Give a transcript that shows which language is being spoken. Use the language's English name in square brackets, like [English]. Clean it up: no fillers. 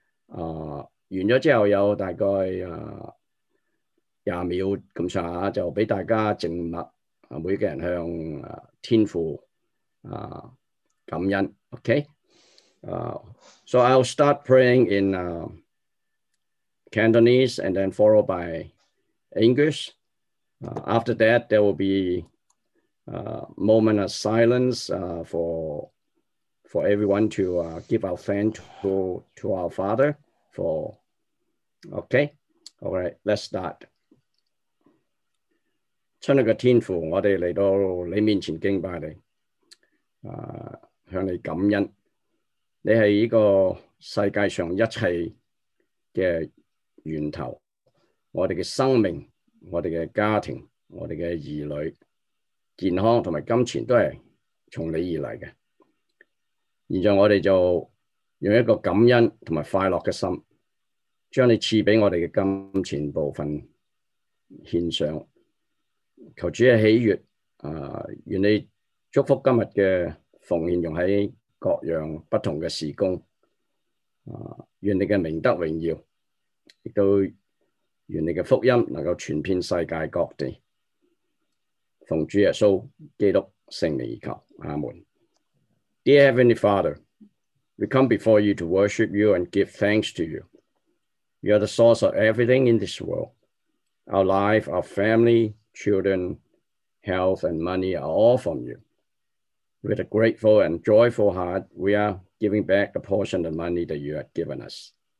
[Cantonese] 完咗之后有大概廿秒咁上下，就俾大家静默，每个人向天父感恩。 [English] OK， so I'll start praying in Cantonese and then followed by English. After that, there will be moment of silence for everyone to give our thanks to our Father for. Okay, all right, let's start. [Cantonese] 亲爱的天父，我们来到你面前敬拜你，向你感恩。你是这个世界上一切的源头，我们的生命，我们的家庭，我们的儿女健康和金钱都是从你而来的。现在我们就用一个感恩和快乐的心，将你赐给我们的金钱部分献上，求主的喜悦，愿你祝福今天的奉献用在各样不同的事工，愿你的名得荣耀，亦都愿你的福音能够传遍世界各地。奉主耶稣基督圣名而求，阿门。 [English] Dear Heavenly Father, we come before you to worship you and give thanks to you. You are the source of everything in this world. Our life, our family, children, health, and money are all from you. With a grateful and joyful heart, we are giving back the portion of money that you have given us.